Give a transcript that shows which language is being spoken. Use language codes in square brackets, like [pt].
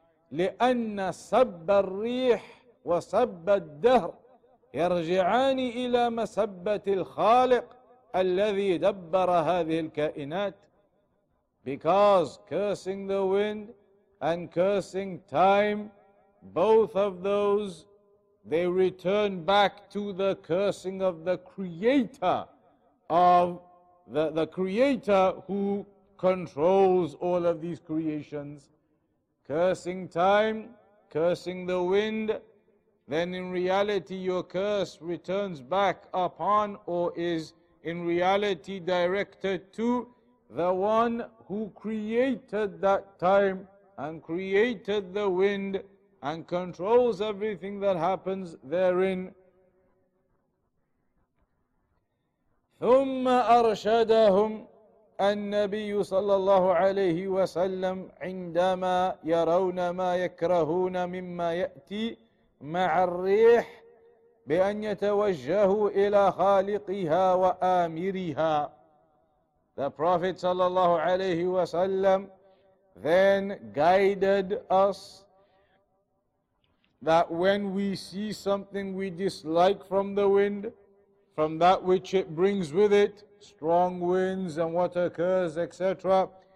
[ar] لأن سب الريح وسب الدهر يرجعان إلى مسبة الخالق الذي دبر هذه الكائنات. [en] Because cursing the wind and cursing time, both of those, they return back to the cursing of the creator, of the creator who controls all of these creations. Cursing time, cursing the wind, then in reality your curse returns back upon, or is in reality directed to, the one who created that time and created the wind and controls everything that happens therein. [ar] ثم أرشدهم, النبي صلى الله عليه وسلم عندما يرون ما يكرهون مما يأتي مع الريح بأن يتوجهوا إلى خالقها وآمرها. [en] The Prophet [ar] صلى الله عليه وسلم [en] then guided us that when we see something we dislike from the wind, from that which it brings with it, strong winds and what occurs, etc.